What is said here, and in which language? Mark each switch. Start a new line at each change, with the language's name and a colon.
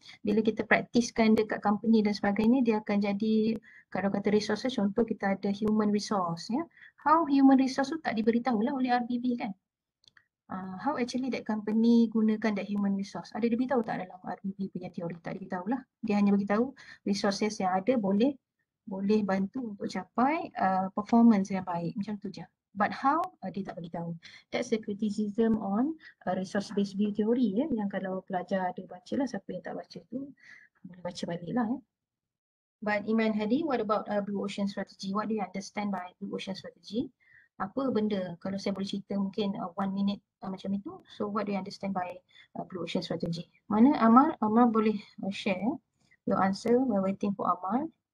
Malay: Bila kita praktiskan dekat company dan sebagainya, dia akan jadi kalau kata resources, contoh kita ada human resource ya.
English: How
Malay: human resource tu tak diberitahu lah oleh RBV kan?
English: How actually that company
Malay: gunakan
English: that human resource?
Malay: Ada diberitahu tak dalam RBV punya teori? Tak diberitahu lah. Dia hanya beritahu resources yang ada boleh boleh bantu untuk capai performance yang baik. Macam tu je.
English: But how?
Malay: Dia tak beritahu.
English: That's the criticism on resource-based view theory ya,
Malay: yang kalau pelajar ada baca lah. Siapa yang tak baca tu boleh baca balik lah ya.
English: But Iman Hadi, what about Blue Ocean Strategy? What do you understand by Blue Ocean Strategy?
Malay: Apa benda? Kalau saya boleh cerita mungkin 1 minit macam itu.
English: So what do you understand by Blue Ocean Strategy?
Malay: Mana Amar? Amar boleh
English: share your answer while waiting for Amar.